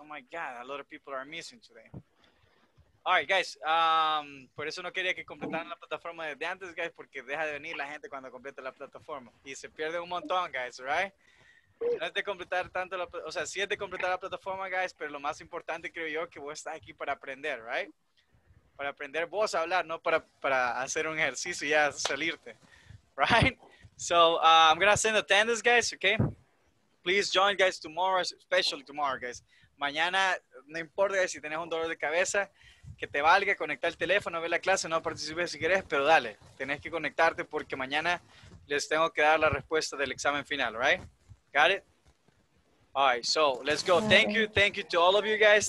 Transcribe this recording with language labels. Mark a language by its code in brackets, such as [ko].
[en] Oh my God, a lot of people are missing today. All right, guys, [es] por eso no quería que completaran la plataforma desde antes, guys, porque deja de venir la gente cuando completa la plataforma. Y se pierde un montón, guys, right? No es de completar tanto la plataforma, o sea, sí es de completar la plataforma, guys, pero lo más importante creo yo que vos estás aquí para aprender, right? Para aprender vos a hablar, no para hacer un ejercicio y ya salirte, right? [en] So, I'm going to send attendance, guys, okay? Please join, guys, tomorrow, especially tomorrow, guys. [es] Mañana, no importa, guys, si tenés un dolor de cabeza, que te valga, conectar el teléfono, ver la clase, no participes si quieres, pero dale, tenés que conectarte porque mañana les tengo que dar la respuesta del examen final, right? [en] Got it? All right, so let's go. Thank you to all of you guys.